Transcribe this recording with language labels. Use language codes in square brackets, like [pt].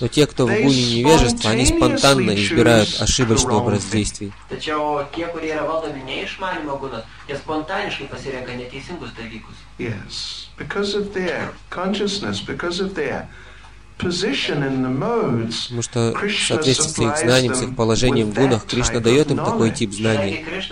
[ru] Но те, кто в гуне невежества, они спонтанно избирают ошибочный образ действий. [en] Yes, because of their consciousness, because of their position in the modes. [ru] Потому что в соответствии с их знанием, с их положением в гунах, Кришна дает им такой тип знаний.